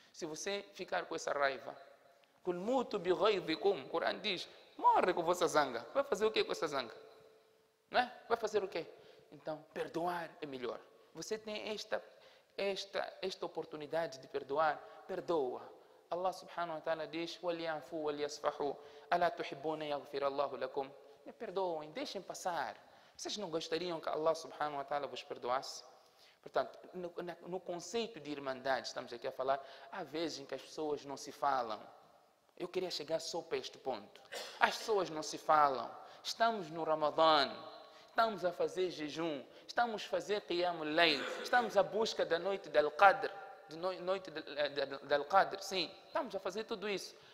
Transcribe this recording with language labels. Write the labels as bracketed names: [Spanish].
[Portuguese] Se você ficar com essa raiva, o Corão diz, morre com vossa zanga. Vai fazer o quê com essa zanga? Não é? Vai fazer o quê? Então, perdoar é melhor. Você tem esta oportunidade de perdoar, perdoa. [Arabic] Allah subhanahu wa ta'ala diz, وَلْيَعْفُوا وَلْيَصْفَحُوا أَلَا تُحِبُّونَ يَغْفِرَ اللَّهُ لَكُمْ. [Portuguese] Me perdoem, deixem passar. Vocês não gostariam que Allah subhanahu wa ta'ala vos perdoasse? Portanto, no conceito de irmandade, estamos aqui a falar, há vezes em que as pessoas não se falam. Eu queria chegar só para este ponto. As pessoas não se falam. Estamos no Ramadã. Estamos a fazer jejum, estamos a fazer Qiyam al-Layl, estamos à busca da noite de Al-Qadr, sim, estamos a fazer tudo isso.